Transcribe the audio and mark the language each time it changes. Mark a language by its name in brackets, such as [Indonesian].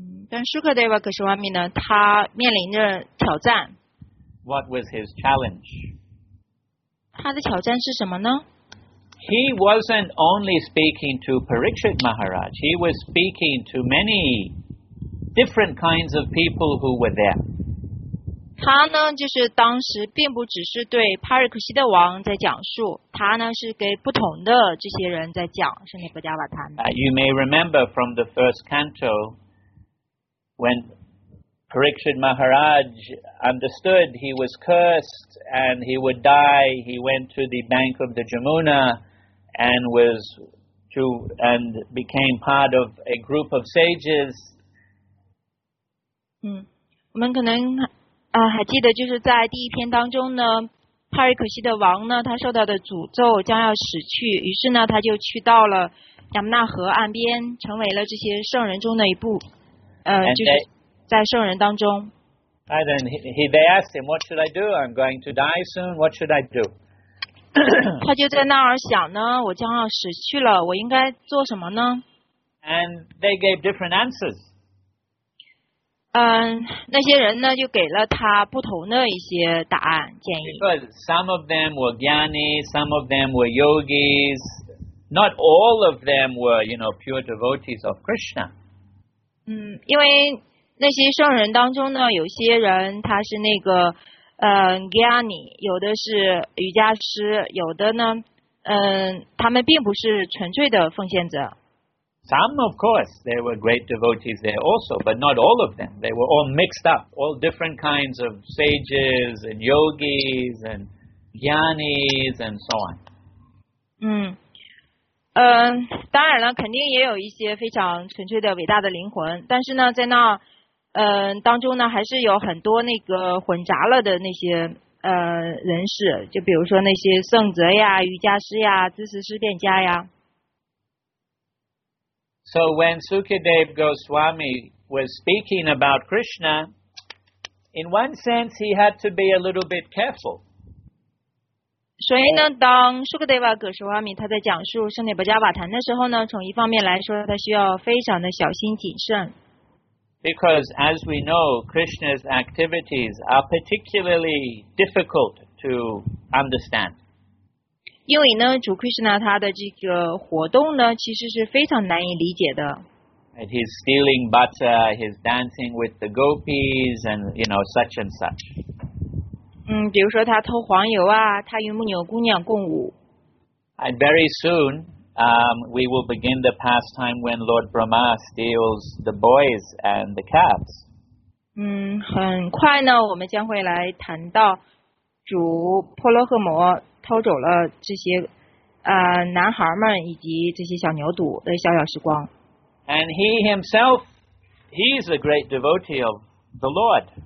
[Chinese] 但 Sukadeva Goswami 呢，他面临着挑战。 [English] What was his challenge? [Chinese] 他的挑战是什么呢? [English] He wasn't only speaking to Parikshit Maharaj. He was speaking to many different kinds of people who were there. [Chinese] 他呢，就是当时并不只是对帕瑞克西德王在讲述，他呢是给不同的这些人在讲圣涅巴加瓦坛。 [English] You may remember from the first canto when Parikshit Maharaj understood he was cursed and he would die. He went to the bank of the Jamuna and became part of a group of sages. [Chinese] 我们可能还记得，就是在第一篇当中呢，帕瑞克西的王呢，他受到的诅咒将要死去，于是呢，他就去到了亚姆纳河岸边，成为了这些圣人中的一部，在圣人当中。 [English] And then they asked him, "What should I do? I'm going to die soon. What should I do?" [Chinese] 他就在那儿想呢，我将要死去了，我应该做什么呢？ [English] And they gave different answers. [Chinese] 那些人呢，就给了他不同的一些答案建议。 [English] Because some of them were gyani, some of them were yogis. Not all of them were, you know, pure devotees of Krishna. [Chinese] 因为那些圣人当中呢，有些人他是那个Gyani， 有的是瑜伽师，有的呢，他们并不是纯粹的奉献者。 [English] Some, of course, there were great devotees there also, but not all of them. They were all mixed up, all different kinds of sages and yogis and gyanis and so on. [Chinese] 当然了，肯定也有一些非常纯粹的伟大的灵魂，但是呢，在那当中呢，还是有很多那个混杂了的那些人士，就比如说那些圣哲呀、瑜伽师呀、知识思辨家呀。 [English] So when Sukadeva Goswami was speaking about Krishna, in one sense, he had to be a little bit careful. [Chinese] 所以呢，当 Sukadeva Goswami 他在讲述圣涅伯加瓦坛的时候呢，从一方面来说，他需要非常的小心谨慎。 [English] Because as we know, Krishna's activities are particularly difficult to understand. [Chinese] 因为呢，主 Krishna 他的这个活动呢，其实是非常难以理解的。 [English] And he's stealing butter, he's dancing with the gopis, and you know, such and such. [Chinese] 比如说他偷黄油啊，他与牧牛姑娘共舞。 [English] And very soon,we will begin the pastime when Lord Brahma steals the boys and the calves. [Chinese] 很快呢，我们将会来谈到主婆罗诃摩偷走了这些男孩们以及这些小牛犊的小小时光。 [English] And he himself, he is a great devotee of the Lord.